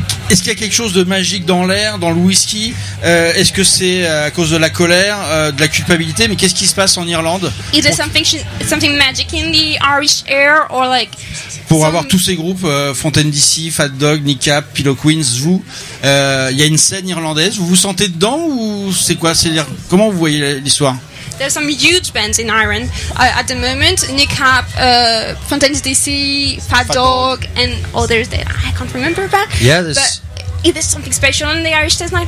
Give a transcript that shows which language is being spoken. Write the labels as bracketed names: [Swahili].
[French] Est-ce qu'il y a quelque chose de magique dans l'air, dans le whisky? Est-ce que c'est à cause de la colère, de la culpabilité? Mais qu'est-ce qui se passe en Irlande? [English] Is there something magic in the Irish air or like? [French] Pour avoir tous ces groupes, Fontaine DC, Fat Dog, Kneecap, Pillow Queens, vous, il y a une scène irlandaise. Vous vous sentez dedans ou c'est quoi? C'est-à-dire comment vous voyez l'histoire? [English] There's some huge bands in Ireland at the moment. Kneecap, Fontaine DC, Fat Dog, and others that I can't remember about. Yeah, but is there something special in the Irish Test Night?